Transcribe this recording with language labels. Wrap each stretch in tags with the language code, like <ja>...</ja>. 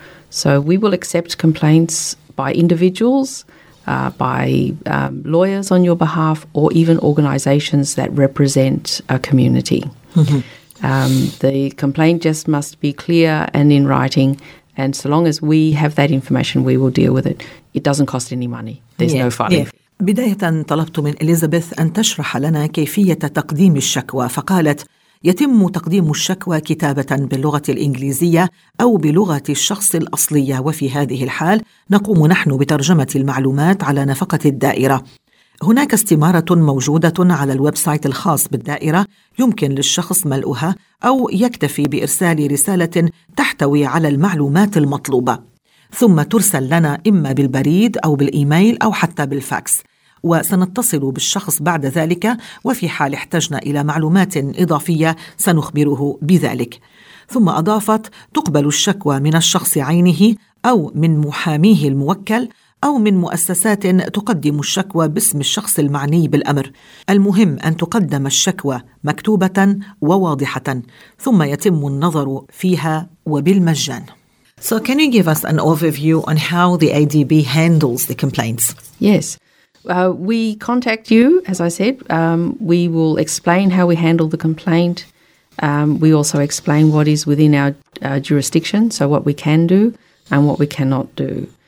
<en>So we will accept complaints by individuals, by lawyers on your behalf, or even organisations that represent a community. Mm-hmm. The complaint just must be clear and in writing, and so long as we have that information, we will deal with it. It doesn't cost any money. There's no filing fee.</en> <ar>بداية طلبت من إليزابيث أن تشرح لنا كيفية تقديم الشكوى، فقالت يتم تقديم الشكوى كتابة باللغة الإنجليزية أو بلغة الشخص الأصلية، وفي هذه الحال نقوم نحن بترجمة المعلومات على نفقة الدائرة. هناك استمارة موجودة على الويب سايت الخاص بالدائرة، يمكن للشخص ملؤها أو يكتفي بإرسال رسالة تحتوي على المعلومات المطلوبة، ثم ترسل لنا إما بالبريد أو بالإيميل أو حتى بالفاكس، وسنتصل بالشخص بعد ذلك، وفي حال احتجنا إلى معلومات إضافية سنخبره بذلك. ثم أضافت تقبل الشكوى من الشخص عينه أو من محاميه الموكل أو من مؤسسات تقدم الشكوى باسم الشخص المعني بالأمر، المهم أن تقدم الشكوى مكتوبة وواضحة ثم يتم النظر فيها وبالمجان.</ar> <en>So can you give us an overview on how the ADB handles the complaints? Yes. We contact you, as I said. We will explain how we handle the complaint. We also explain what is within our jurisdiction, so what we can do and what we cannot do.</en>